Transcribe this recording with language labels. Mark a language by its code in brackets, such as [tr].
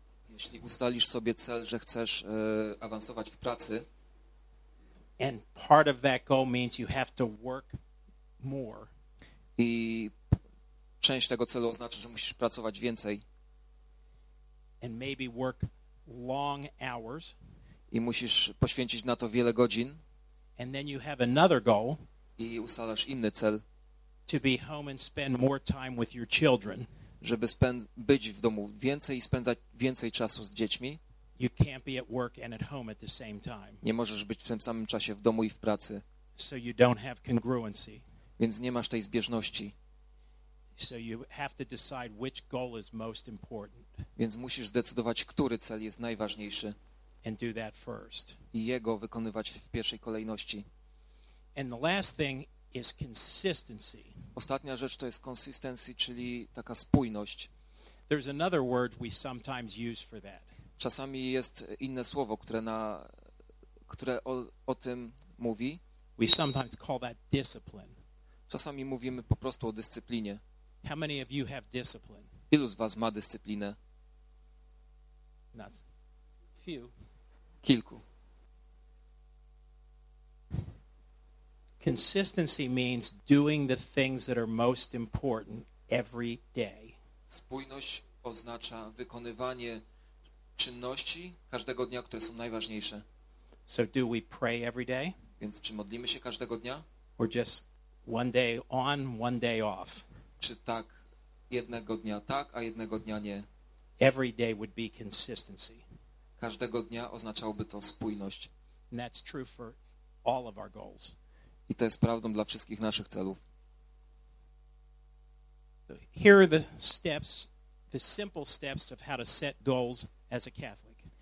[pl] jeśli ustalisz sobie cel, że chcesz awansować w pracy, [en] and part of that goal means you have to work more, [pl] i część tego celu oznacza, że musisz pracować więcej, [en] and maybe work long hours, [pl] i musisz poświęcić na to wiele godzin, [en] and then you have another goal. [pl] I ustalasz inny cel. [en] To be home and spend more time with your children. [pl] Żeby być w domu więcej i spędzać więcej czasu z dziećmi. [en] You can't be at work and at home at the same time. [pl] Nie możesz być w tym samym czasie w domu i w pracy. [en] So you don't have congruency. [pl] Więc nie masz tej zbieżności. [en] So you have to decide which goal is most important. [pl] Więc musisz zdecydować, który cel jest najważniejszy. [en] And do that first. [pl] I jego wykonywać w pierwszej kolejności. [en] And the last thing is consistency. [pl] Ostatnia rzecz to jest consistency, czyli taka spójność. [en] There's another word we sometimes use for that. [pl] Czasami jest inne słowo, które o tym mówi. [en] We sometimes call that discipline. [pl] Czasami mówimy po prostu o dyscyplinie. [en] How many of you have discipline? [pl] Ilu z was ma dyscyplinę? [en] Not few. [pl] Kilku. [en] Consistency means doing the things that are most important every day. [pl] Spójność oznacza wykonywanie czynności każdego dnia, które są najważniejsze. [en] So do we pray every day? [pl] Więc czy modlimy się każdego dnia? [en] Or just one day on, one day off? [pl] Czy tak, jednego dnia tak, a jednego dnia nie? [en] Every day would be consistency. [pl] Każdego dnia oznaczałoby to spójność. [en] And that's true for all of our goals. [pl] I to jest prawdą dla wszystkich naszych celów. [en] So here are the steps, the simple steps of how to set goals as a Catholic.